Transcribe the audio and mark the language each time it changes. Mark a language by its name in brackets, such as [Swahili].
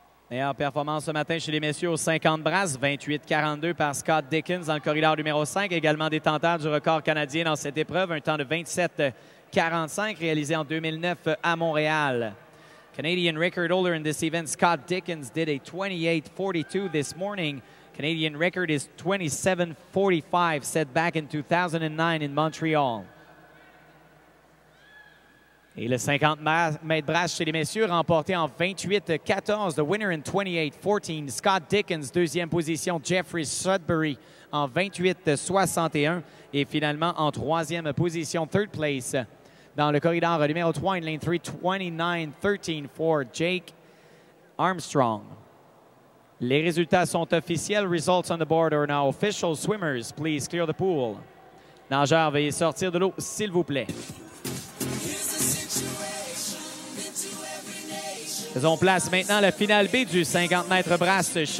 [French] Meilleure performance ce matin chez les messieurs aux 50 brasses, 28-42 par Scott Dickens dans le corridor numéro 5, également détenteur du record canadien dans cette épreuve, un temps de 27-45 réalisé en 2009 à Montréal. [English] Canadian record holder in this event, Scott Dickens, did a 28-42 this morning. Canadian record is 27-45, set back in 2009 in Montreal. [French] Et le 50 mètres brasse chez les messieurs, remporté en 28-14. [English] The winner in 28-14, Scott Dickens. [French] Deuxième position, Jeffrey Sudbury en 28-61. Et finalement, en troisième position, [English] third place, [French] dans le corridor numéro 3, [English] in lane 3, 29-13 for Jake Armstrong. [French] Les résultats sont officiels. [English] Results on the board are now official. Swimmers, please clear the pool. [French] Nageurs, veuillez sortir de l'eau, s'il vous plaît. Faisons place maintenant à la finale B du 50 mètres brasse chez les...